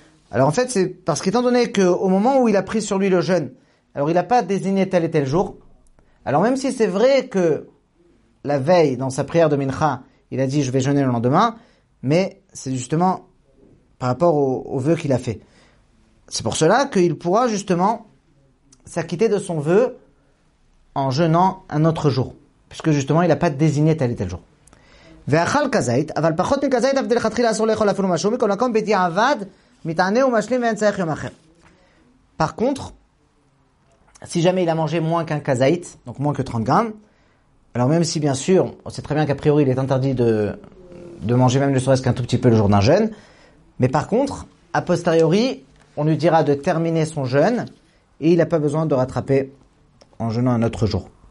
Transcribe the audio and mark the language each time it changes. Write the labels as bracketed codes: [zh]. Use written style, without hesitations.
[fr] Alors en fait, c'est parce qu'étant donné qu'au moment où il a pris sur lui le jeûne, alors il n'a pas désigné tel et tel jour, alors même si c'est vrai que la veille, dans sa prière de Mincha, il a dit « je vais jeûner le lendemain », mais c'est justement par rapport au vœu qu'il a fait. C'est pour cela qu'il pourra justement s'acquitter de son vœu en jeûnant un autre jour, puisque justement il n'a pas désigné tel et tel jour. [he] ואכל כזית, אבל פחות מכזית, אבל לכתחיל אסור לאכול אפילו משהו, מכל מקום בדיעבד, מתענה ומשלים ואין צריך יום אחר. [fr] Par contre, si jamais il a mangé moins qu'un kazait, donc moins que 30 grammes, alors même si bien sûr, on sait très bien qu'a priori il est interdit de manger même ne serait-ce qu'un tout petit peu le jour d'un jeûne, mais par contre, a posteriori, on lui dira de terminer son jeûne et il n'a pas besoin de rattraper en jeûnant un autre jour.